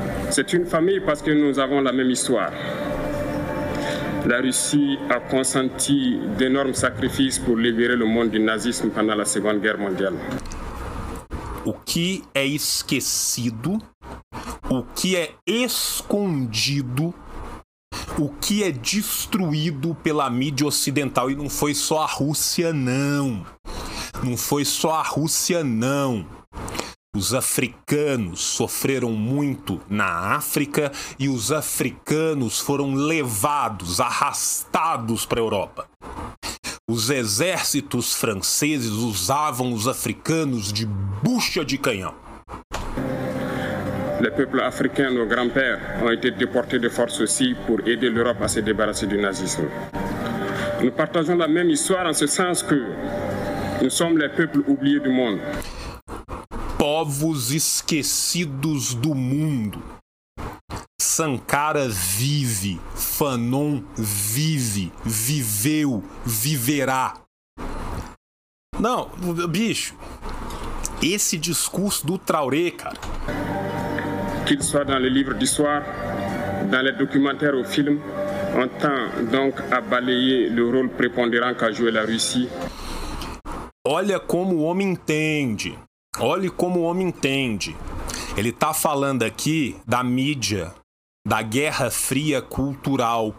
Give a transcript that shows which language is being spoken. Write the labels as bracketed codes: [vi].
[fr] C'est une famille parce que nous avons la même histoire. La Russie a consenti d'énormes sacrifices pour libérer le monde du nazisme pendant la Seconde Guerre mondiale. [pt] O que é esquecido, o que é escondido, o que é destruído pela mídia ocidental. E não foi só a Rússia, não. Não foi só a Rússia, não. Os africanos sofreram muito na África e os africanos foram levados, arrastados para a Europa. Os exércitos franceses usavam os africanos de bucha de canhão. [fr] Le peuple africain, nos grands-pères, ont été déportés de force aussi pour aider l'Europe à se débarrasser du nazisme. Nous partageons la même histoire en ce sens que Nous sommes les peuples oubliés du monde. [pt] Povos esquecidos do mundo. Sankara vive, Fanon vive, viveu, viverá. Não, bicho, esse discurso do Traoré, cara. [fr] Que ele soit dans les livres d'histoire, dans les documentaires ou films, on tend donc à balayer le rôle prépondérant qu'a joué la Russie. [pt] Olha como o homem entende. Olha como o homem entende. Ele tá falando aqui da mídia, da Guerra Fria Cultural.